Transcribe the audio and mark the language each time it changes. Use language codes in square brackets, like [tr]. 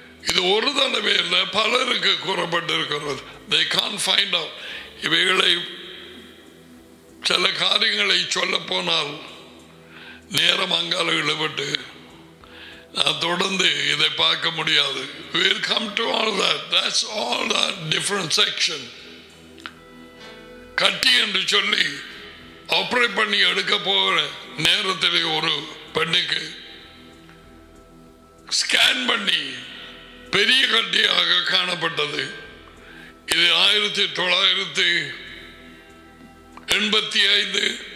[ta] இது ஒரு தடவை இல்ல, பலருக்கு கூறப்பட்டிருக்கிறது. [en] They can't find out. [ta] இவைகளை சில காரியங்களை சொல்ல போனால் நேரம் அங்கால இழுபட்டு நான் தொடர்ந்து இதை பார்க்க முடியாது. [en] We'll come to all that. That's all that different section. [ta] கட்டி என்று சொல்லி ஆப்ரேட் பண்ணி எடுக்க போகிற நேரத்தில் ஒரு பெண்ணுக்கு ஸ்கேன் பண்ணி பெரிய கட்டியாக காணப்பட்டது. இது 1985-84.